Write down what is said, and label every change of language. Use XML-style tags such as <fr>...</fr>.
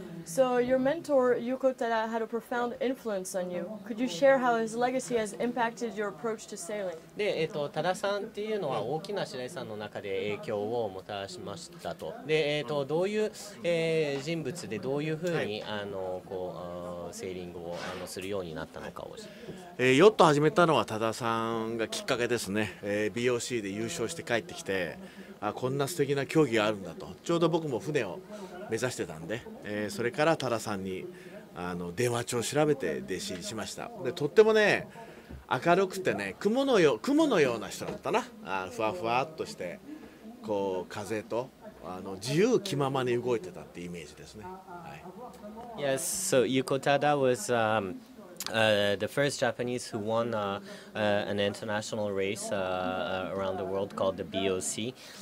<en>So your mentor Yuko Tada had a profound influence on you. Could you share how his legacy has impacted your approach to sailing?</en> <ja>で、タダさんっていうのは大きな白井さんの中で影響をもたらしましたと。で、どういう、人物でどういうふうに、はい、こうセーリングをするようになったのかを。ヨット始めたのはタダさんがきっかけですね。 BOC で優勝して帰ってきて、あ、こんな素敵な競技があるんだと。ちょうど僕も船を目指してたんで、それからタダさんに電話帳を調べて弟子にしました。でとってもね、明るくてね、雲のような人だったな。ふわふわっとして、こう風と自由気ままに動いてたってイメージですね、はい、</ja> <en>Yes, so Yuko Tada was the first Japanese who won an international race around the world called the BOC.</en>